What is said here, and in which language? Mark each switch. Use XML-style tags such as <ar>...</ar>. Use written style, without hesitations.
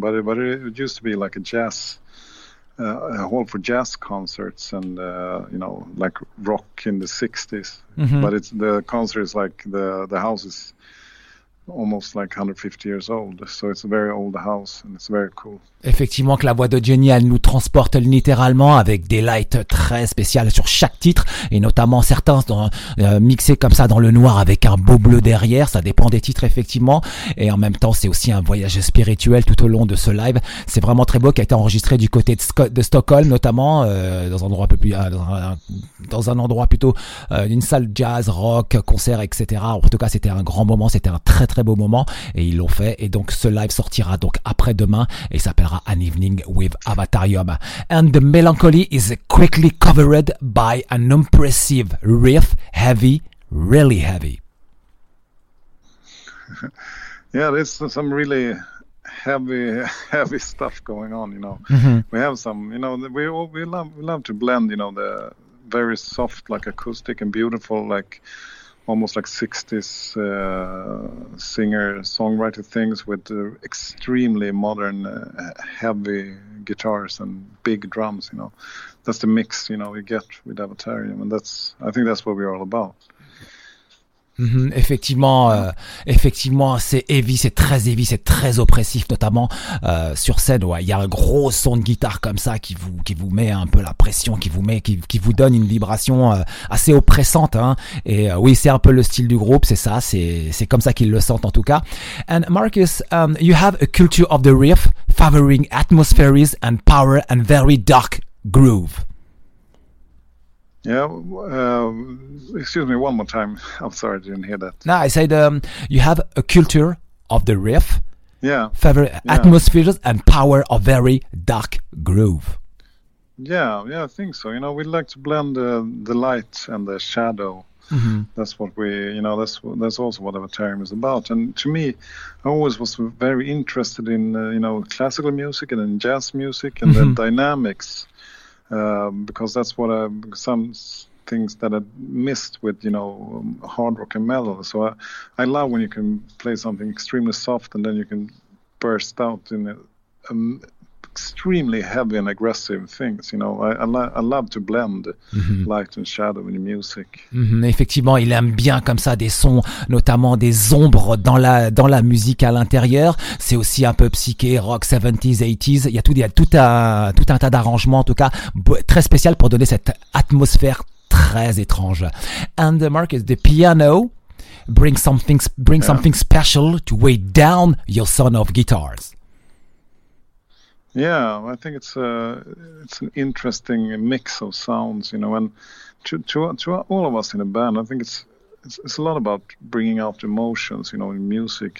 <en>But it used to be like a jazz. A hall for jazz concerts and you know, like rock in the 60s. Mm-hmm. But it's the concert is like the house is almost like 150 years old, so it's a very old house and it's very cool.</en> <fr>Effectivement, que la voix de Jenny, elle nous transporte littéralement avec des lights très spéciales sur chaque titre et notamment certains mixés comme ça dans le noir avec un beau bleu derrière. Ça dépend des titres effectivement et en même temps c'est aussi un voyage spirituel tout au long de ce live. C'est vraiment très beau, qui a été enregistré du côté de Stockholm notamment dans un endroit plutôt une salle jazz, rock, concert, etc. En tout cas c'était un grand moment, c'était un très très beau moment et ils l'ont fait. Et donc ce live sortira donc après demain et s'appellera An Evening with Avatarium.</fr> <en>And the melancholy is quickly covered by an impressive riff, heavy, really heavy. Yeah, there's some really heavy stuff going on, you know. Mm-hmm. We have some, you know, we love to blend, you know, the very soft, like acoustic and beautiful, like almost like 60s singer-songwriter things with extremely modern, heavy guitars and big drums, you know. That's the mix, you know, you get with Avatarium, and I think that's what we're all about.</en> <fr>Mm-hmm, effectivement, effectivement, c'est heavy, c'est très oppressif, notamment sur scène. Ouais, il y a un gros son de guitare comme ça qui vous met un peu la pression, qui vous donne une vibration assez oppressante. Hein. Et oui, c'est un peu le style du groupe, c'est ça, c'est comme ça qu'ils le sentent en tout cas.</fr> <en>And Marcus, you have a culture of the riff, favoring atmospheres and power and very dark groove. Yeah, excuse me one more time. I'm sorry, I didn't hear that. No, I said you have a culture of the riff. Yeah. Atmospheres and power of very dark groove. Yeah, I think so. You know, we like to blend the light and the shadow. Mm-hmm. That's what we, you know, that's also what Avatarium is about. And to me, I always was very interested in, you know, classical music and in jazz music and mm-hmm. the dynamics. Because that's what some things that I missed with, you know, hard rock and metal. So I love when you can play something extremely soft and then you can burst out in extremely heavy and aggressive things, you know. I love to blend mm-hmm. light and shadow in the music. Mm-hmm.</en> <fr>Effectivement, il aime bien comme ça des sons, notamment des ombres dans la musique à l'intérieur. C'est aussi un peu psyché, rock 70s, 80s. Il y a tout un tas d'arrangements, en tout cas très spécial pour donner cette atmosphère très étrange.</fr> <en>And Marcus, the piano brings something special to weigh down your son of guitars. Yeah, I think it's an interesting mix of sounds, you know, and to all of us in a band, I think it's a lot about bringing out emotions, you know, in music.</en>